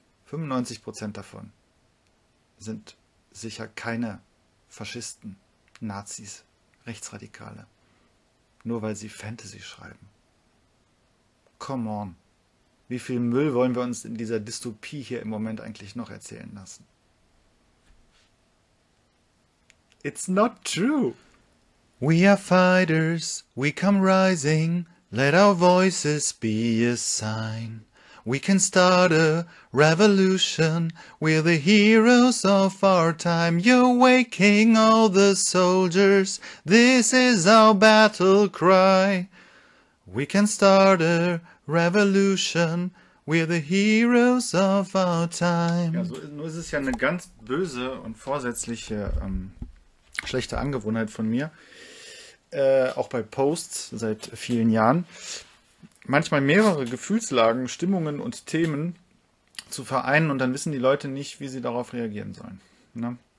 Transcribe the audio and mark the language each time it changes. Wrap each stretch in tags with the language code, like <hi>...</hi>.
<de>95% davon sind sicher keine Faschisten, Nazis, Rechtsradikale, nur weil sie Fantasy schreiben.</de> <en>Come on,</en> <de>wie viel Müll wollen wir uns in dieser Dystopie hier im Moment eigentlich noch erzählen lassen?</de> <en>It's not true. We are fighters, we come rising, let our voices be a sign. We can start a revolution, we're the heroes of our time. You're waking all the soldiers, this is our battle cry. We can start a revolution, we're the heroes of our time.</en> <de>Ja, so ist, nur ist es ja eine ganz böse und vorsätzliche, schlechte Angewohnheit von mir, auch bei Posts seit vielen Jahren, manchmal mehrere Gefühlslagen, Stimmungen und Themen zu vereinen und dann wissen die Leute nicht, wie sie darauf reagieren sollen. Ne?</de>